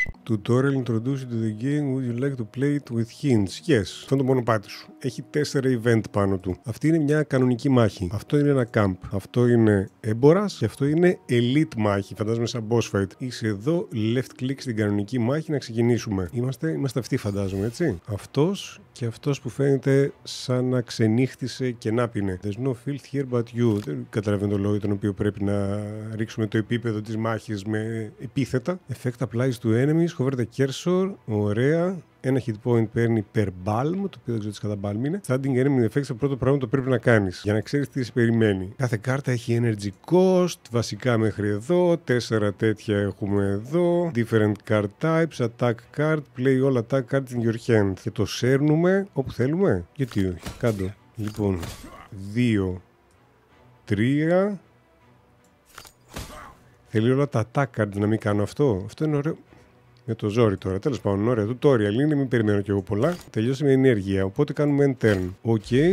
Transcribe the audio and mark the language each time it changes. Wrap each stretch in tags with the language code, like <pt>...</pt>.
<en>Tutorial introducing to the game, would you like to play it with hints? Yes.</en> <el>Αυτό είναι το μονοπάτι σου. Έχει 4 event πάνω του. Αυτή είναι μια κανονική μάχη. Αυτό είναι ένα camp. Αυτό είναι έμπορας και αυτό είναι elite μάχη. Φαντάζομαι σαν boss fight. Είσαι εδώ, left click στην κανονική μάχη να ξεκινήσουμε. Είμαστε αυτοί, φαντάζομαι, έτσι. Αυτός και αυτός που φαίνεται σαν να ξενύχτησε και να πίνε.</el> <en>There's no filth here but you.</en> <el>Δεν καταλαβαίνω το λόγο για τον οποίο πρέπει να ρίξουμε το επίπεδο της μάχης με επίθετα.</el> <en>Effect applies to enemies. Hover the cursor,</en> <el>ωραία. Ένα hit point παίρνει per balm, το οποίο δεν ξέρω τι κατά balm είναι.</el> <en>Standing enemy effects,</en> <el>το πρώτο πράγμα το πρέπει να κάνεις για να ξέρεις τι σε περιμένει. Κάθε κάρτα έχει energy cost, βασικά μέχρι εδώ. Τέσσερα τέτοια έχουμε εδώ.</el> <en>Different card types, attack card, play all attack cards in your hand.</en> <el>Και το σέρνουμε όπου θέλουμε. Γιατί όχι, κάτω. Λοιπόν, 2, 3. Θέλει όλα τα attack cards να μην κάνω αυτό. Αυτό είναι ωραίο. Με το ζόρι τώρα. Τέλος πάντων, ωραία. Tutorial είναι, μην περιμένω κι εγώ πολλά. Τελειώσει με ενέργεια. Οπότε κάνουμε end turn. Οκ.</el>